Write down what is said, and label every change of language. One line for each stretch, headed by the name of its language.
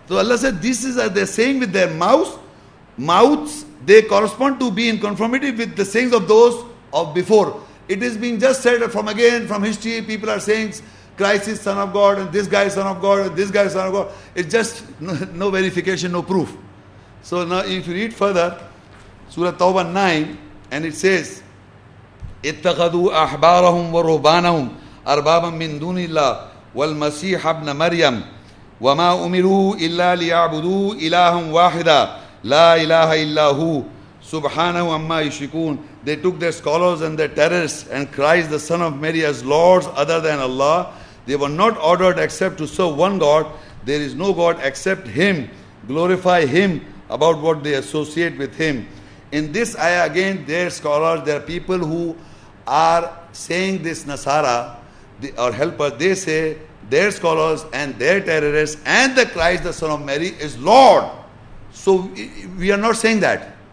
English: So Allah said, this is what they're saying with their mouths. They correspond to be in conformity with the sayings of those of before. It is being just said from again, from history, people are saying Christ is son of God, and this guy is son of God, and this guy is son of God. It's just no verification, no proof. So now if you read further, Surah Tawbah 9, and it says,
Arabic: اتخذوا أحبارهم ورهبانهم أربابا من دون الله والمسيح ابن مريم وما أمروا إلا ليعبدوا إلها واحدا لا إله إلا هو سبحانه عما يشركون.
English: They took their scholars and their terrorists and Christ the son of Mary as lords other than Allah. They were not ordered except to serve one God. There is no God except Him. Glorify Him about what they associate with Him. In this ayah again, their scholars, their people who are saying this Nasara, or helper, they say their scholars and their terrorists and the Christ the son of Mary is Lord. So we are not saying that.